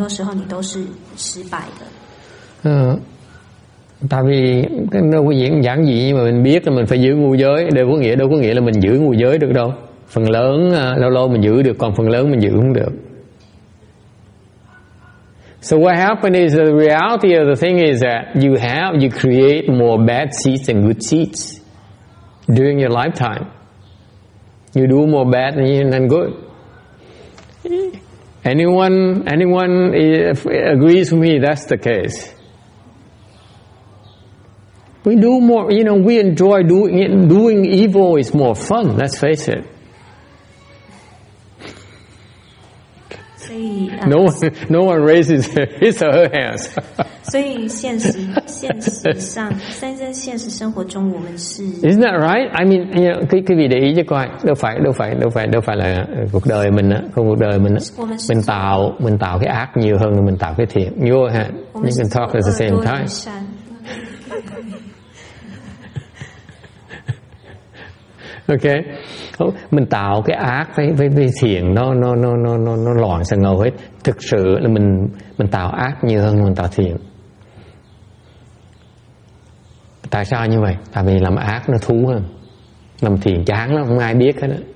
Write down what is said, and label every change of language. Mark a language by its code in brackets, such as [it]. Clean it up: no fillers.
[zh] 所以当你吃五戒，你说你吃五戒，并不代表说你一直都是有成功的在持戒。有时候你成功，有时候很多时候你都是失败的。 [vi] Tại vì nó có giảng gì mà mình biết là mình phải giữ ngũ giới, đâu có nghĩa là mình giữ ngũ giới được đâu. Phần lớn lâu lâu mình giữ được, còn phần lớn mình giữ không được. [en] So what happened is the reality of the thing is that you create more bad seeds than good seeds during your lifetime. You do more bad than good. Anyone agrees with me that's the case? We do more, you know, we enjoy doing evil is more fun, let's face it. No one raises his or her hands. [zh] 所以现实上，在现实生活中， 我们是 [en] Isn't that right? I mean, you know, [vi] cái vị để ý cho coi, đâu phải là cuộc đời mình á, không cuộc đời mình á, mình tạo cái ác nhiều hơn mình tạo cái thiện. [en] You all have, you can talk at the same time. [vi] OK, mình tạo cái ác với thiện nó loạn sang ngầu hết. Thực sự là mình tạo ác nhiều hơn mình tạo thiện. Tại sao như vậy? Tại vì làm ác nó thú hơn, làm thiện chán lắm, không ai biết hết.